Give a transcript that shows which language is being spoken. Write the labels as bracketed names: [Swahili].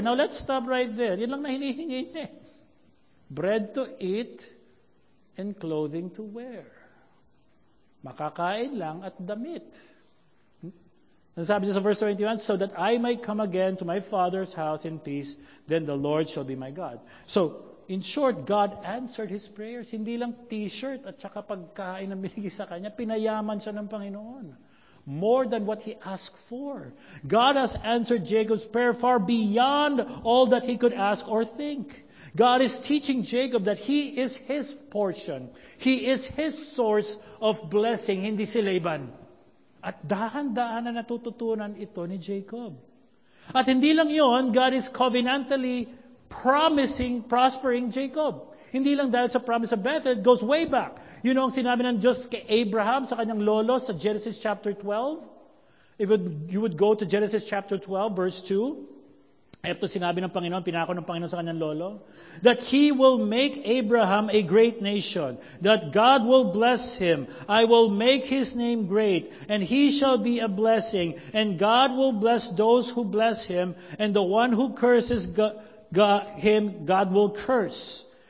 [English] Now let's stop right there. [Filipino] Yan lang na hinihingi niya. [English] Bread to eat and clothing to wear. [Filipino] Makakain lang at damit. [English] And [Filipino] sabi niya sa [English] verse 21, so that I might come again to my father's house in peace, then the Lord shall be my God. So, in short, God answered his prayers. [Filipino] Hindi lang t-shirt at saka pagkain na binigay sa kanya, pinayaman siya ng Panginoon. [English] More than what he asked for. God has answered Jacob's prayer far beyond all that he could ask or think. God is teaching Jacob that he is his portion. He is his source of blessing, [Filipino] hindi si Laban. At dahan-dahan na natututunan ito ni Jacob. At hindi lang yon, [English] God is covenantally promising, prospering Jacob. [Filipino] Hindi lang dahil sa [English] promise of Bethel, it goes way back. You know [Filipino] ang sinabi ng Diyos kay Abraham sa kanyang lolo sa Genesis chapter 12? [English] If you would go to Genesis chapter 12, verse 2, [Filipino] ito sinabi ng Panginoon, pinako ng Panginoon sa kanyang lolo, [English] that He will make Abraham a great nation, that God will bless him, I will make his name great, and he shall be a blessing, and God will bless those who bless him, and the one who curses him, God will curse.